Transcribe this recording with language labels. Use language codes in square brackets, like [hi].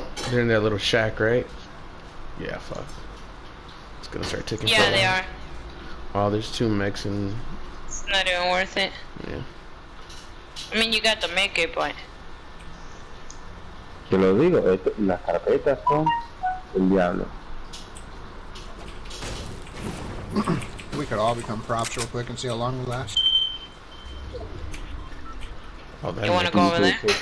[en] They're in that little shack, right? Yeah, fuck. It's gonna start ticking. Yeah, they are. Oh, there's two mechs and... It's not even worth it. Yeah. I mean, you got the make it, but... [es] Te lo digo, las carpetas son el diablo. [en] We could all become props real quick and see how long we last. Oh, you wanna go over there?